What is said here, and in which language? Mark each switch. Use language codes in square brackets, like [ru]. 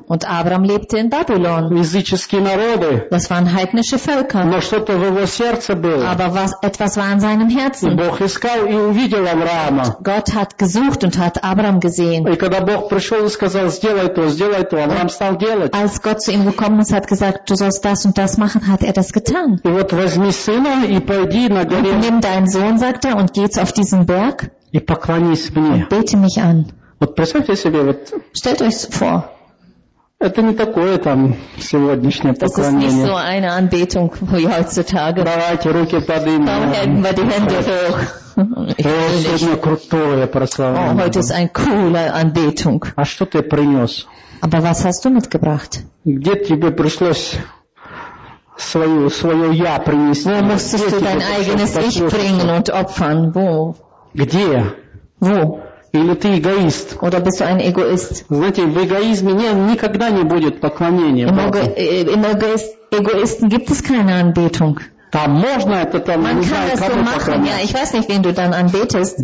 [de] Und Abraham lebte in Babylon. [ru] Языческие народы. [de] Das waren heidnische Völker. [ru] Но что-то в его сердце было. [de] Aber was, etwas war in seinem Herzen. [ru] И Бог искал и увидел Авраама. [de] Und Gott hat gesucht und hat Abraham gesehen. [ru] И когда Бог пришел и сказал, сделай то, Авраам стал делать. [de] Als Gott zu ihm gekommen ist, hat gesagt, du sollst das und das machen, hat das getan. [ru] И вот возьми сына и пойди на горе. [de] Und nimm deinen Sohn, sagt und geh auf diesen Berg. [ru] И поклонись мне. [de] Und bete mich an. [ru] Вот представьте себе, вот [de] stellt euch vor, [ru] это не такое там сегодняшнее поклонение. [de] Das ist nicht so eine Anbetung wie heutzutage. [ru] Давайте руки поднимем. [de] Komm, heben wir die Hände hoch. [ru] Сегодня крутое прославление. [de] Oh, heute ist eine coole Anbetung. [ru] А что ты принес? [de] Aber was hast du mitgebracht? [ru] Где тебе пришлось свое я принести? [de] Wo musstest du dein eigenes Ich bringen und opfern? Wo? [ru] Где? [de] Wo? [ru] Или ты эгоист? [de] Oder bist du ein Egoist? [ru] Знаете, в эгоизме нет никогда не будет поклонения. Эгоисты [de] gibt es keine Anbetung. [ru] Там можно это там. [de] Man kann [ru] знаю, [de] das so machen. Ja, ich weiß nicht, wen du dann anbetest.